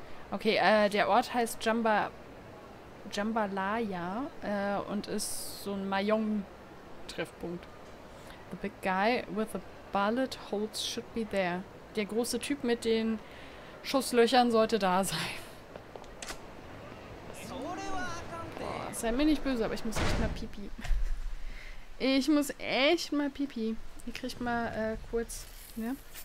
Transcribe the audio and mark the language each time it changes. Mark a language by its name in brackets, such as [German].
[German] Okay, der Ort heißt Jambalaya und ist so ein Mahjong Treffpunkt. [English] The big guy with the bullet holes should be there. [German] Der große Typ mit den Schusslöchern sollte da sein. Boah, sei mir nicht böse, aber ich muss echt mal pipi. Ich muss echt mal pipi. Ich krieg mal kurz, ne?